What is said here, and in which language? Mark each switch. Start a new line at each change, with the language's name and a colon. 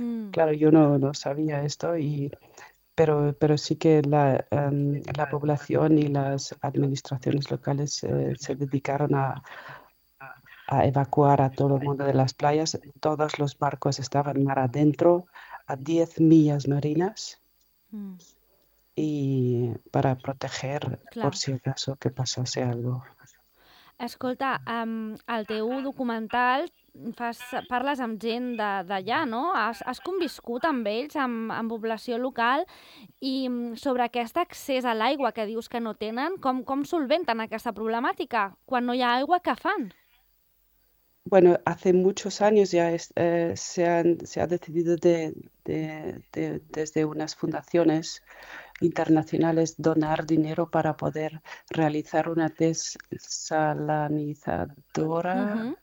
Spanish: Claro, yo no sabía esto, pero sí que la población y las administraciones locales se dedicaron a evacuar a todo el mundo de las playas. Todos los barcos estaban mar adentro, a 10 millas marinas, y para proteger por
Catalan: Clar.
Spanish: si acaso que pasase algo.
Catalan: Escolta, el teu documental parles amb gent d'allà, no? Has conviscut amb ells, amb població local, i sobre aquest accés a l'aigua que dius que no tenen, com solventen aquesta problemàtica? Quan no hi ha aigua, què fan?
Spanish: Bueno, hace muchos años ya se ha decidido desde unas fundaciones internacionales donar dinero para poder realizar una desalinizadora.